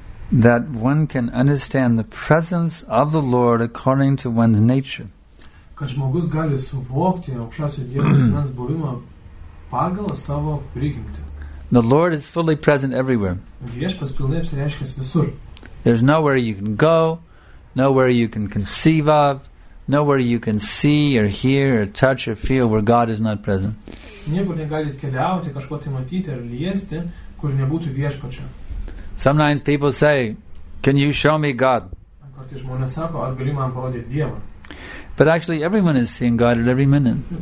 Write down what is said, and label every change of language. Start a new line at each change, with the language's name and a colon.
English: That one can understand the presence of the Lord according to one's nature.
Lithuanian: Kad žmogus gali suvokti aukščiausio Dievo asmens buvimą pagal savo prigimtį.
English: The Lord is fully present everywhere.
Lithuanian: Viešpas pilnai apsireiškęs visur.
English: There's nowhere you can go, nowhere you can conceive of, nowhere you can see or hear or touch or feel where God is not present.
Lithuanian: Niekur negalit keliauti, kažko tai matyti ar liesti, kur nebūtų viešpačio.
English: Sometimes people say, can you show me God?
Lithuanian: Kartais žmonės sako, ar gali man parodyti Dievą?
English: But actually everyone is seeing God at every minute.